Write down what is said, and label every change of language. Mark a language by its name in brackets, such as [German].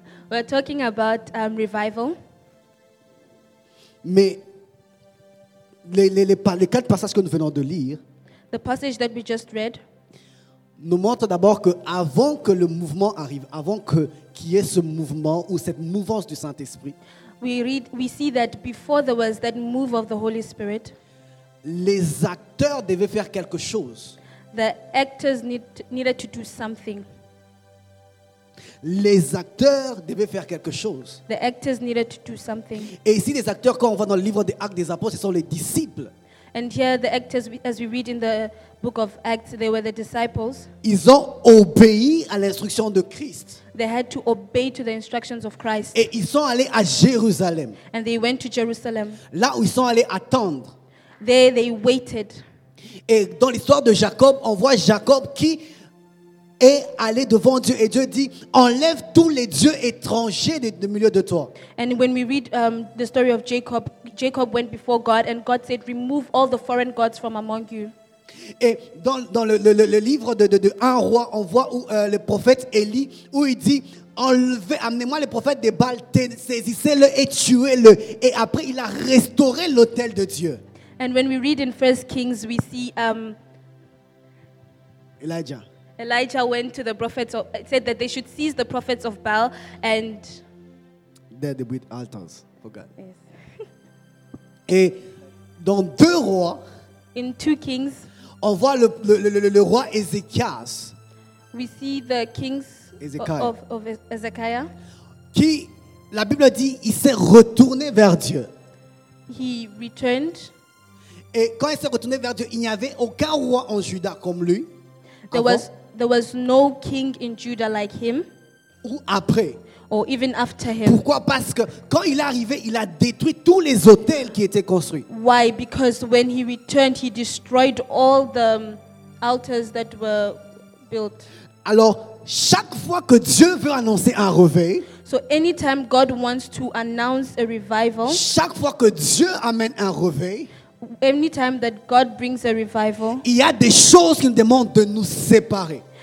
[English] We are talking about revival. [French] Mais les quatre passages que nous venons de lire, [English] the passage that we just read, [French] nous montrent d'abord que avant que le mouvement arrive, avant que qu'il y ait ce mouvement ou cette mouvance du Saint-Esprit, [English] we see that before there was that move of the Holy Spirit, [French] les acteurs devaient faire quelque chose. [English] The actors needed to do something. [French] Les acteurs devaient faire quelque chose. [English] The actors needed to do something. [French] Et ici, les acteurs, quand on voit dans le livre des Actes des Apôtres, ce sont les disciples. [English] And here, the actors, as we read in the book of Acts, they were the disciples. [French] Ils ont obéi à l'instruction de Christ. [English] They had to obey to the instructions of Christ. [French] Et ils sont allés à Jérusalem. [English] And they went to Jerusalem. [French] Là où ils sont allés attendre. [English] There, they waited. [French] Et dans l'histoire de Jacob, on voit Jacob qui est allé devant Dieu et Dieu dit enlève tous les dieux étrangers du milieu de toi. [English] And when we read the story of Jacob, Jacob went before God and God said remove all the foreign gods from among you. [French] Et dans le livre de 1 roi, on voit où le prophète Élie, où il dit enlevez, amenez-moi les prophètes de Baal, saisissez-le et tuez-le. Et après il a restauré l'autel de Dieu. [English] And when we read in 1 Kings, we see Elijah. Elijah went to the prophets, said that they should seize the prophets of Baal and there they built altars for God. Yes. [French] Et dans 2 rois, [English] in 2 Kings, [French] on voit le roi Ézéchias. [English] We see the kings of Ezekiah. [French] Qui, la Bible dit, il s'est retourné vers Dieu. [English] He returned. [French] Et quand il s'est retourné vers Dieu, il n'y avait aucun roi en Juda comme lui. [English] There was no king in Judah like him. [French] Ou après. [English] Or even after him. [French] Pourquoi? Parce que quand il est arrivé, il a détruit tous les autels qui étaient construits. [English] Why? Because when he returned, he destroyed all the altars that were built. [French] Alors, chaque fois que Dieu veut annoncer un réveil, [English] so anytime God wants to announce a revival, [French] chaque fois que Dieu amène un réveil, [English] anytime that God brings a revival, [French] il y a des choses qu'il nous demande de nous séparer.